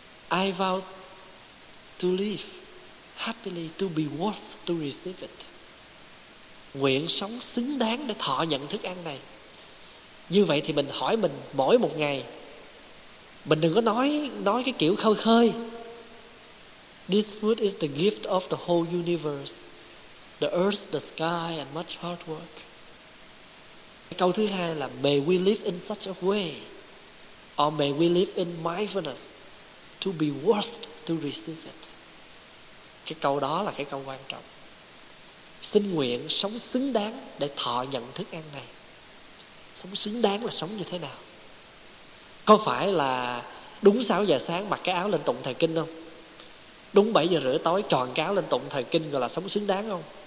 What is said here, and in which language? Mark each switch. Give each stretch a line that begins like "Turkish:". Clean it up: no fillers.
English: I vow to live happily, to be worth to receive it.
Vietnamese: Nguyện sống xứng đáng để thọ nhận thức ăn này. Như vậy thì mình hỏi mình mỗi một ngày. Mình đừng có nói cái kiểu khơi khơi.
English: This food is the gift of the whole universe, the earth, the sky, and much hard work.
Vietnamese: Câu thứ hai là
English: may we live in such a way, or may we live in mindfulness, to be worth to receive it.
Vietnamese: Cái câu đó là cái câu quan trọng. Xin nguyện sống xứng đáng để thọ nhận thức ăn này. Sống xứng đáng là sống như thế nào? Có phải là đúng 6 giờ sáng mặc cái áo lên tụng thời kinh không? Đúng 7 giờ rưỡi tối tròn cáo lên tụng thời kinh gọi là sống xứng đáng không?